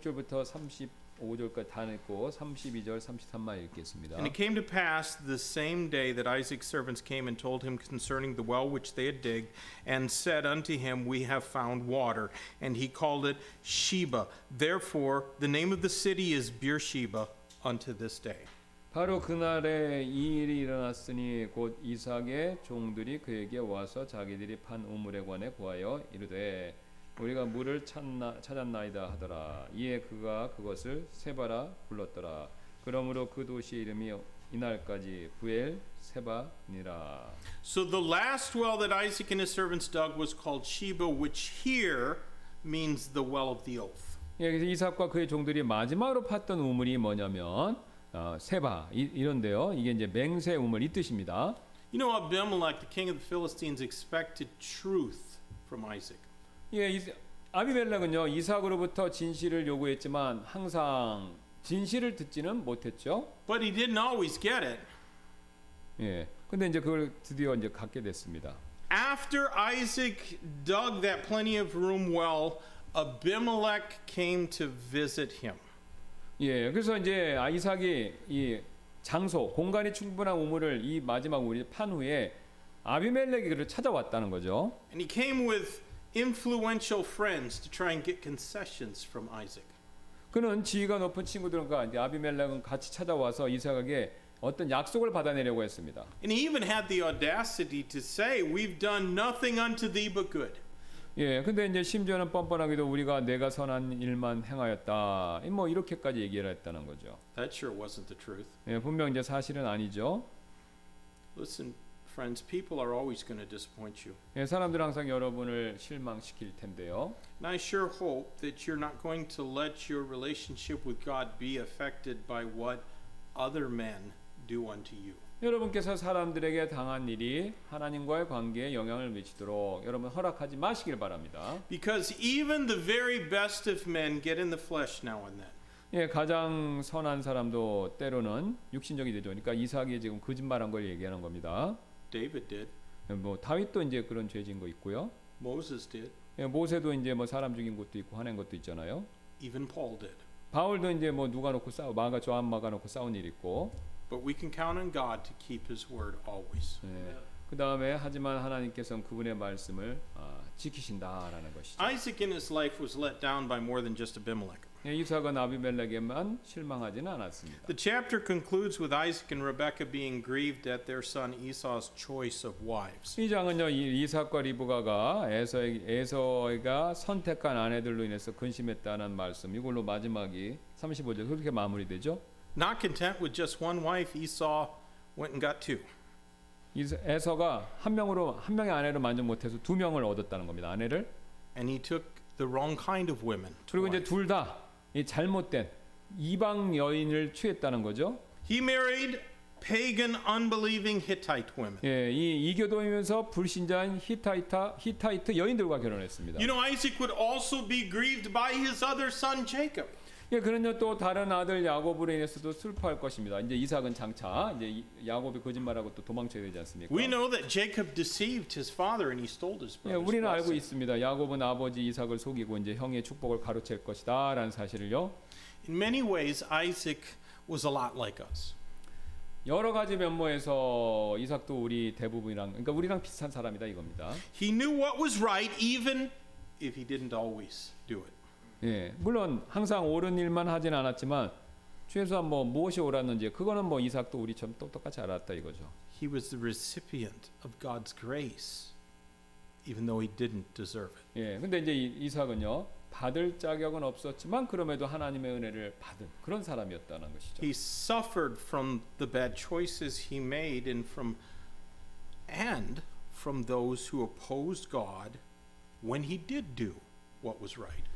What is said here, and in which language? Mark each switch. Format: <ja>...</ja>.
<ko>26절부터 35절까지 다 읽고 32절 33만 읽겠습니다.</ko> <en>And it came to pass the same day that Isaac's servants came and told him concerning the well which they had digged, and said unto him, We have found water. And he called it Sheba. Therefore, the name of the city is Beersheba unto this day.</en> <ko>바로 그날에 이 일이 일어났으니 곧 이삭의 종들이 그에게 와서 자기들이 판 우물에 관해 구하여 이르되 우리가 물을 찾았나이다 하더라. 이에 그가 그것을 세바라 불렀더라. 그러므로 그 도시의 이름이 이날까지 부엘 세바니라.</ko> <en>So the last well that Isaac and his servants dug was called Sheba, which here means the well of the oath.</en> <ko>예, 그래서 이삭과 그의 종들이 마지막으로 팠던 우물이 뭐냐면 세바 이런데요. 이게 이제 맹세 우물 이 뜻입니다.</ko> <en>You know, Abimelech, the king of the Philistines, expected truth from Isaac.</en> <ko>예, 아비멜렉은요 이삭으로부터 진실을 요구했지만 항상 진실을 듣지는 못했죠.</ko> <en>But he didn't always get it.</en> <ko>예, 근데 이제 그걸 드디어 이제 갖게 됐습니다.</ko> <en>After Isaac dug that plenty of room well, Abimelech came to visit him.</en> <ko>예, 그래서 이제 이삭이 이 장소, 공간이 충분한 우물을 이 마지막 우물을 판 후에 아비멜렉이 그를 찾아왔다는 거죠.</ko> <en>And he came with influential friends to try and get concessions from Isaac.</en> <ko>그는 지위가 높은 친구들과 이제 아비멜렉은 같이 찾아와서 이삭에게 어떤 약속을 받아내려고 했습니다.</ko> <en>And he even had the audacity to say, "We've done nothing unto thee but good."</en> <ko>예, 근데 이제 심지어는 뻔뻔하게도 우리가 내가 선한 일만 행하였다. 뭐 이렇게까지 얘기를 했다는 거죠.</ko> <en>That sure wasn't the truth.</en> <ko>예, 분명 이제 사실은 아니죠.</ko> <en>Listen. Friends, people are always going to disappoint you.</en> <ko>예, 사람들 항상 여러분을 실망시킬 텐데요.</ko> <en>And I sure hope that you're not going to let your relationship with God be affected by what other men do unto you.</en> <ko>여러분께서 사람들에게 당한 일이 하나님과의 관계에 영향을 미치도록 여러분 허락하지 마시길 바랍니다.</ko> <en>Because even the very best of men get in the flesh now and then.</en> <ko>예, 가장 선한 사람도 때로는 육신적이 되죠. 그러니까 이삭이 지금 거짓말한 걸 얘기하는 겁니다.</ko> <en>David did.</en> <ko>뭐 다윗도 이제 그런 죄진 거 있고요.</ko> <en>Moses did.</en> <ko>예, 모세도 이제 뭐 사람 죽인 것도 있고 화낸 것도 있잖아요.</ko> <en>Even Paul did.</en> <ko>바울도 이제 뭐 누가 놓고 싸우 마가 저한 마가 놓고 싸운 일 있고.</ko> <en>But we can count on God to keep His word always.</en> <ko>예. 그 다음에 하지만 하나님께서는 그분의 말씀을 지키신다라는 것이죠.</ko> <en>Isaac in his life was let down by more than just Abimelech.</en> <ko>이삭은 아비멜렉에만 실망하지는 않았습니다.</ko> <en>The chapter concludes with Isaac and Rebekah being grieved at their son Esau's choice of wives.</en> <ko>이 장은요, 이삭과 리브가가 에서가 선택한 아내들로 인해서 근심했다는 말씀. 이걸로 마지막이 35절 그렇게 마무리되죠.</ko> <en>Not content with just one wife, Esau went and got two.</en> <ko>에서가 한 명의 아내로 만족 못해서 두 명을 얻었다는 겁니다. 아내를.</ko> <en>And he took the wrong kind of women.</en> <ko>그리고 이제 둘 다 이 잘못된 이방 여인을 취했다는 거죠.</ko> <en>He married pagan, unbelieving Hittite women.</en> <ko>예, 이 이교도이면서 불신자인 히타이트 여인들과 결혼했습니다.</ko> <en>You know, Isaac would also be grieved by his other son Jacob.</en> <ko>예, 그런데 또 다른 아들 야곱으로 인해서도 슬퍼할 것입니다. 이제 이삭은 장차 이제 야곱이 거짓말하고 또 도망쳐야 되지 않습니까?</ko> <en>We know that Jacob deceived his father and he stole his brother's.</en> <ko>예, 우리는 알고 있습니다. 야곱은 아버지 이삭을 속이고 이제 형의 축복을 가로챌 것이다라는 사실을요.</ko> <en>In many ways, Isaac was a lot like us.</en> <ko>여러 가지 면모에서 이삭도 우리 대부분이랑 그러니까 우리랑 비슷한 사람이다 이겁니다.</ko> <en>He knew what was right, even if he didn't always do it.</en> <ko>예, 물론 항상 옳은 일만 하진 않았지만 최소한 뭐 무엇이 옳았는지 그거는 뭐 이삭도 우리처럼 똑똑같이 알았다 이거죠.</ko> <en>He was the recipient of God's grace, even though he didn't deserve it.</en> <ko>예, 근데 이제 이삭은요 받을 자격은 없었지만 그럼에도 하나님의 은혜를 받은 그런 사람이었다는 것이죠.</ko> <en>He suffered from the bad choices he made and from those who opposed God when he did do what was right.</en>